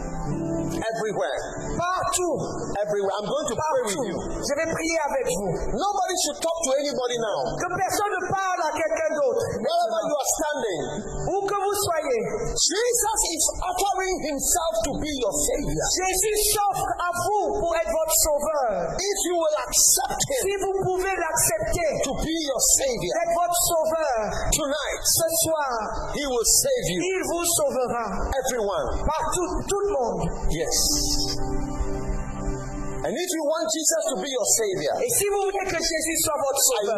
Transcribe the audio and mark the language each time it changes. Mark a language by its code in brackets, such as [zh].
[en] Everywhere. [fr] Partout. [en] Everywhere. I'm going to [fr] partout. [en] Pray with you. [fr] Je vais prier avec vous. [en] Nobody should talk to anybody now. [fr] Que personne ne parle à quelqu'un d'autre. [en] Wherever you are standing. [fr] Où que vous soyez. [en] Jesus is offering himself to be your savior. [fr] Jésus s'offre à vous pour être votre sauveur. [en] If you will accept him. [fr] Si vous pouvez l'accepter. [en] To be your savior. [fr] Être votre sauveur. [en] Tonight. [fr] Ce soir. [en] He will save you. [fr] Il vous sauvera. [en] Everyone. [fr] Partout. Tout le monde. [en] Yes. And if you want Jesus to be your savior, [fr] et si vous voulez que Jésus soit votre sauveur,